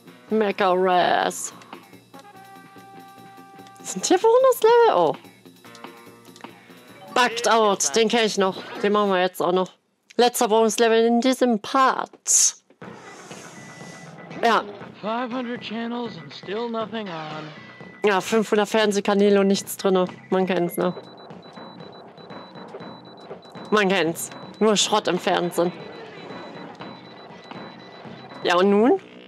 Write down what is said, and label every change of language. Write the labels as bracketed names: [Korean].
[German] Mega-Rass. Sind hier Bonus-Level? Oh. Bugged Out, den kenne ich noch. Den machen wir jetzt auch noch. Letzter Bonus-Level in diesem Part. Ja. [English] 500 Channels and still nothing on. [German] Ja, 500 Fernsehkanäle und nichts drin. Man kennt's, ne? Man kennt's. Nur Schrott im Fernsehen. Ja, und nun?